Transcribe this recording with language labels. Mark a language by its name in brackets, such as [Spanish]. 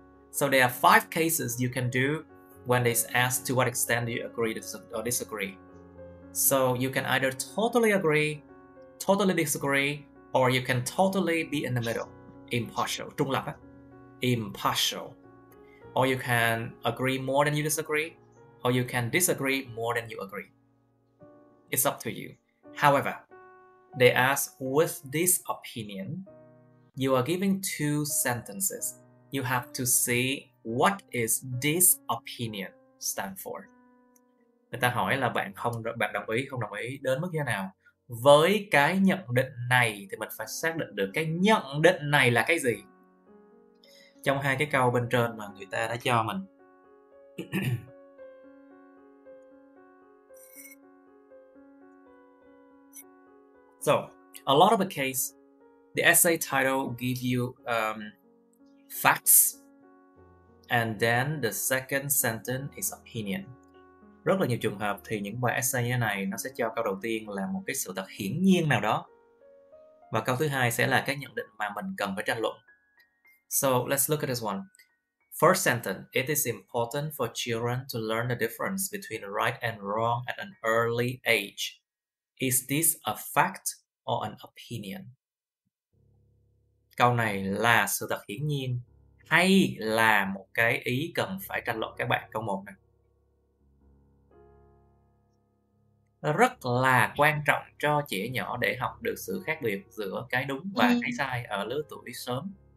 [English] So there are five cases you can do when they ask to what extent do you agree or disagree. So you can either totally agree, totally disagree, or you can totally be in the middle, impartial, [Vietnamese] trung lập, [English] impartial. Or you can agree more than you disagree, or you can disagree more than you agree. It's up to you. However, they ask, with this opinion, you are giving two sentences. You have to see what is this opinion stand for. [Vietnamese] Người ta hỏi là bạn không, bạn đồng ý không đồng ý đến mức như thế nào với cái nhận định này, thì mình phải xác định được cái nhận định này là cái gì trong hai cái câu bên trên mà người ta đã cho mình. [English] So a lot of the case, the essay title give you facts, and then the second sentence is opinion. [Vietnamese] Rất là nhiều trường hợp thì những bài essay như này nó sẽ cho câu đầu tiên là một cái sự thật hiển nhiên nào đó, và câu thứ hai sẽ là cái nhận định mà mình cần phải tranh luận. [English] So let's look at this one. First sentence, it is important for children to learn the difference between right and wrong at an early age. Is this a fact or an opinion? [Vietnamese] Câu này là sự thật hiển nhiên hay là một cái ý cần phải tranh luận các bạn? Câu 1 này rất là quan trọng cho trẻ nhỏ để học được sự khác biệt giữa cái đúng và cái sai ở lứa tuổi sớm.